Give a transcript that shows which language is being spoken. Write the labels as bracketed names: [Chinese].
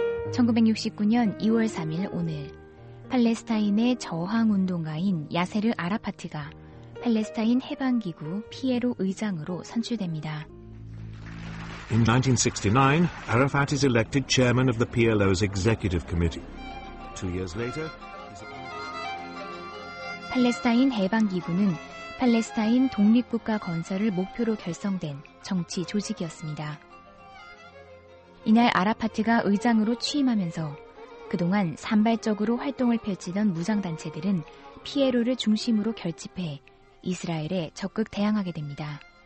[Korean] 1969년 2월 3일 오늘, 팔레스타인의 저항운동가인 야세르 아라파트가 팔레스타인 해방기구 피에로 의장으로 선출됩니다. [English] In 1969, Arafat is elected chairman of the PLO's executive committee. Two years later, [Korean] 팔레스타인 해방기구는 팔레스타인 독립국가 건설을 목표로 결성된 정치 조직이었습니다. 이날 아라파트가 의장으로 취임하면서 그동안 산발적으로 활동을 펼치던 무장단체들은 피에로를 중심으로 결집해 이스라엘에 적극 대항하게 됩니다.